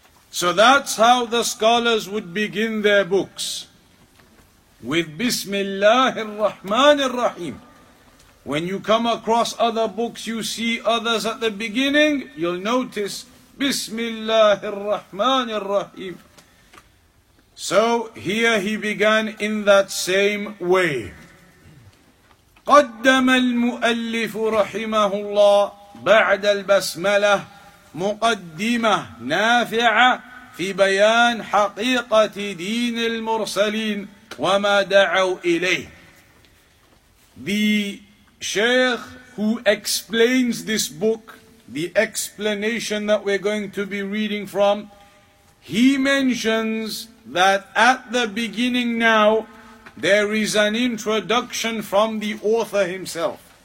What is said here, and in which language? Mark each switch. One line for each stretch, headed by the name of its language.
English: So that's how the scholars would begin their books, with Bismillahir Rahmanir Rahim. When you come across other books, you see others at the beginning, you'll notice Bismillahir Rahmanir Rahim. So here he began in that same way.
Arabic: قدم المؤلف رحمه الله بعد البسملة مقدمة نافعة في بيان حقيقة دين المرسلين وما دعوا إليه.
English: The Sheikh who explains this book, the explanation that we're going to be reading from, he mentions that at the beginning now, there is an introduction from the author himself.